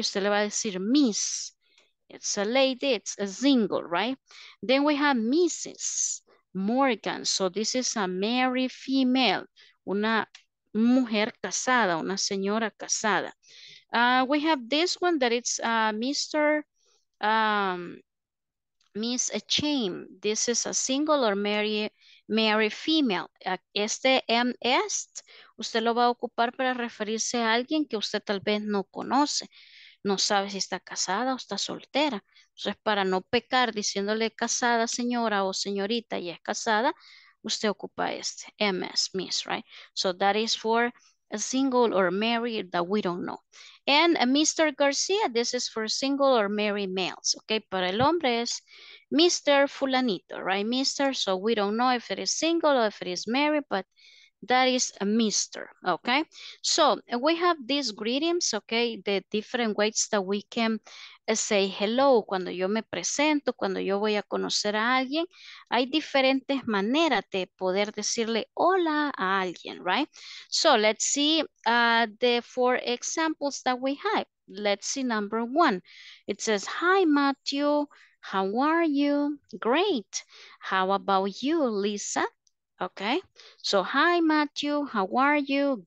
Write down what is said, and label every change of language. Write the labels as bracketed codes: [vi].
[es] Usted le va a decir [en] Miss. It's a lady, it's a single, right? Then we have Mrs. Morgan. So this is a married female, [es] una mujer casada, una señora casada. [en] We have this one that it's Miss Chaim. This is a single or married female. [es] Este MS, usted lo va a ocupar para referirse a alguien que usted tal vez no conoce. No sabe si está casada o está soltera. Entonces, para no pecar diciéndole casada señora o señorita y es casada, usted ocupa este, MS, Miss, right? [en] So that is for a single or married that we don't know. And Mr. Garcia, this is for single or married males, okay? [es] Para el hombre es [en] Mr. Fulanito, right? Mr., so we don't know if it is single or if it is married, but that is a Mr., okay? So we have these greetings, okay? The different ways that we can say hello. [es] Cuando yo me presento, cuando yo voy a conocer a alguien, hay diferentes maneras de poder decirle hola a alguien, right? [en] So let's see the four examples that we have. Let's see number one. It says, hi, Matthew. How are you? Great. How about you, Lisa? Okay, so hi Matthew, how are you?